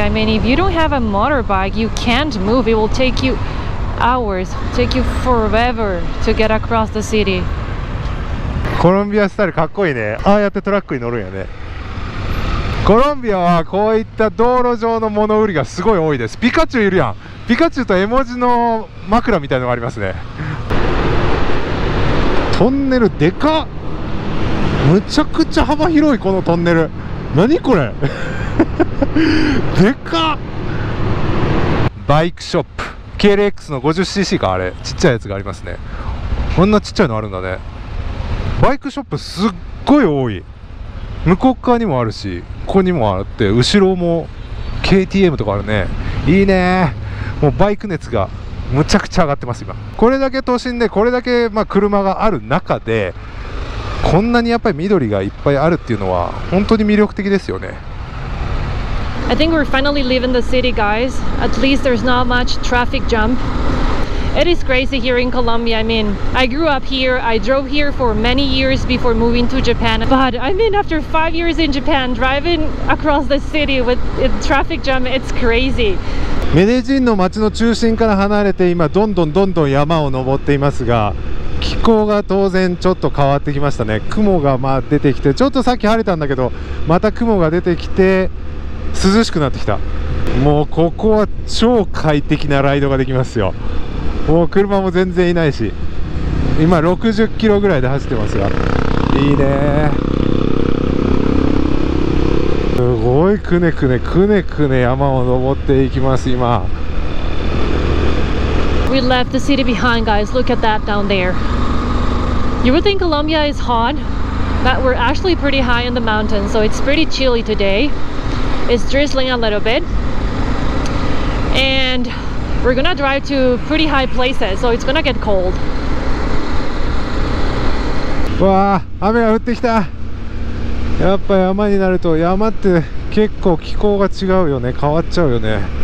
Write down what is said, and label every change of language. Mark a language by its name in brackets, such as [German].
[English] I mean, if you don't have a motorbike, you can't move. It will take you hours, take you forever to get across the city. [Japanese] コロンビアスタイルかっこいいね。ああやってトラックに乗るんやね。コロンビアはこういった道路上の物売りがすごい多いです。ピカチュウいるやん。ピカチュウと絵文字の枕みたいなのがありますね。トンネルでかっ。むちゃくちゃ幅広いこのトンネル。何これでかっ。バイクショップ KLX の 50cc か、あれちっちゃいやつがありますね。こんなちっちゃいのあるんだね。バイクショップすっごい多い。向こう側にもあるし、ここにもあって、後ろも KTM とかあるね。いいね。もうバイク熱がむちゃくちゃ上がってます今。これだけ都心でこれだけまあ車がある中でこんなにやっぱり緑がいっぱいあるっていうのは本当に魅力的ですよね。 [English] I think we're finally leaving the city, guys. At least there's not much traffic jump. It is crazy here in Colombia. I mean, I grew up here. I drove here for many years before moving to Japan. But I mean, after 5 years in Japan, driving across the city with traffic jam, it's crazy. [Japanese] メデジンの街の中心から離れて今どんどんどんどん山を登っていますが、気候が当然ちょっと変わってきましたね。雲がまあ出てきて、ちょっとさっき晴れたんだけどまた雲が出てきて涼しくなってきた。もうここは超快適なライドができますよ。もう車も全然いないし、今60キロぐらいで走ってますが、いいね。すごいくねくねくねくね山を登っていきます今。 [English] We left the city behind, guys. Look at that down there. You would think Colombia is hot, but we're actually pretty high in the mountains, so it's pretty chilly today. It's drizzling a little bit, and we're gonna drive to pretty high places, so it's gonna get cold. [Japanese] Wow, 雨が降ってきた。やっぱ山になると山って結構気候が違うよね。変わっちゃうよね。